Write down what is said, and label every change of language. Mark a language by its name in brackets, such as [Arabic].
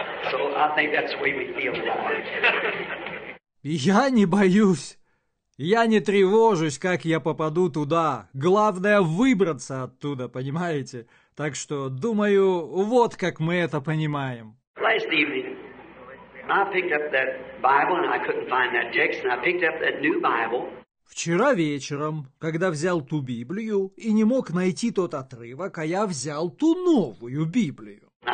[English] So I think that's the way we feel about it. [Russian] Я не боюсь. Я не тревожусь, как я попаду туда. Главное выбраться оттуда, понимаете? Так что, думаю, вот как мы это понимаем. [English] Last evening, I picked up that Bible and I couldn't find that text, and I picked up that new Bible. [Russian] Вчера вечером, когда взял ту Библию и не мог найти тот отрывок, а я взял ту новую Библию.